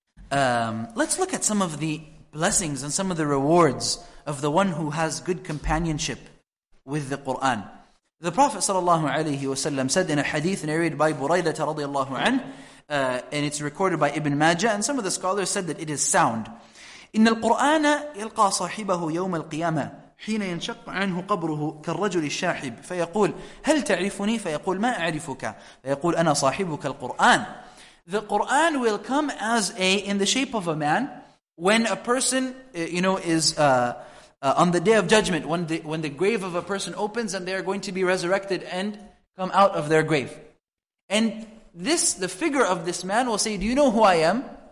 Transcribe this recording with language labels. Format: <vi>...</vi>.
<en>Let's look at some of the blessings and some of the rewards of the one who has good companionship with the Qur'an. The Prophet ﷺ said in a hadith narrated by Burayda radiallahu anhu, and it's recorded by Ibn Majah, and some of the scholars said that it is sound.</en> <ar>إن القرآن يلقى صاحبه يوم القيامة حين ينشق عنه قبره كالرجل الشاحب فيقول هل تعرفني؟ فيقول ما أعرفك. فيقول أنا صاحبك القرآن.</ar> <en>The Quran will come as a in the shape of a man when a person you know is on the day of judgment, when the grave of a person opens and they are going to be resurrected and come out of their grave. And this, the figure of this man will say, do you know who I am?</en>